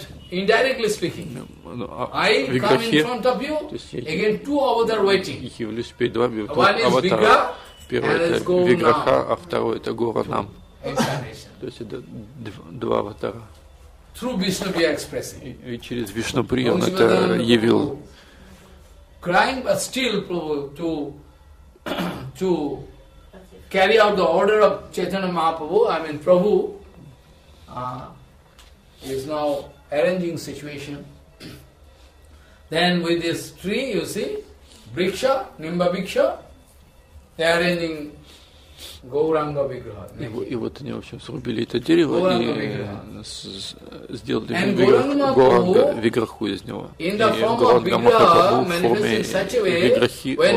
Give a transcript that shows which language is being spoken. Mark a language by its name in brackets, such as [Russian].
[Russian] Виграхе, то есть я явлюсь перед вами, два аватара, первый это Виграха, а второй это Горанам. То есть это два аватара. [English] Through Vishnupriya expressing. [Russian] И через Вишнуприю он это явил. [English] Crying, but still to carry out the order of Chaitanya Mahaprabhu. I mean, Prabhu is now arranging situation. Then with this tree, you see, Vriksha, Nimba Vriksha, they are arranging. [Russian] И вот они, в общем, срубили это дерево и сделали Гауранга Виграху из него. И Гауранга Махапрабху в форме Виграхи.